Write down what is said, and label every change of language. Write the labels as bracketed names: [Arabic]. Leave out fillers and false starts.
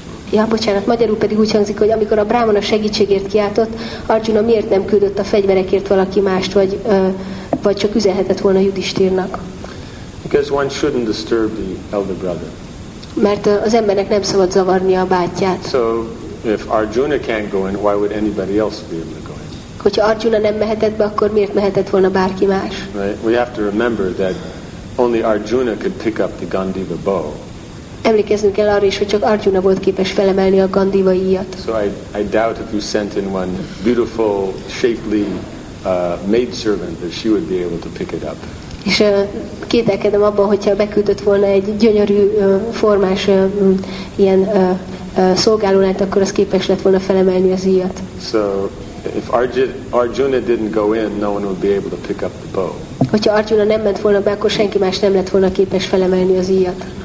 [Hungarian] Ja, bocsánat, magyarul pedig úgy hangzik, hogy amikor a brámana segítségért kiáltott, Arjuna miért nem küldött a fegyverekért valaki mást, vagy csak üzenhetett volna Yudhishthirnak? [English] Because one shouldn't disturb the elder brother. [Hungarian] Mert az embernek nem szabad zavarni a bátyját. [English] So if Arjuna can't go in, why would anybody else be able to go in? [Hungarian] Hogyha Arjuna nem mehetett be, akkor miért mehetett volna bárki más? [English] Right? We have to remember that only Arjuna could pick up the Gandiva bow. [Hungarian] Emlékeznünk kell arra is, hogy csak Arjuna volt képes felemelni a Gandiva íjat. [English] So I doubt if you sent in one beautiful, shapely maidservant that she would be able to pick it up. [Hungarian] És kételkedem abban, hogyha beküldött volna egy gyönyörű formás ilyen szolgálónát, akkor az képes lett volna felemelni az íjat. [English] So if Arjuna didn't go in, no one would be able to pick up the bow. [Hungarian] Hogyha Arjuna nem ment volna be, akkor senki más nem lett volna képes felemelni az íjat.